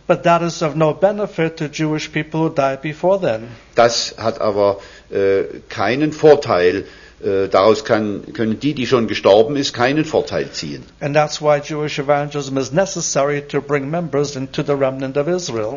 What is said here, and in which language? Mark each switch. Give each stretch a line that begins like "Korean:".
English: But that is of no benefit to Jewish people who died before then.
German: Das hat aber keinen Vorteil. Daraus können die schon gestorben ist, keinen Vorteil ziehen.
English: And that's why Jewish evangelism is necessary to bring members into the remnant of Israel.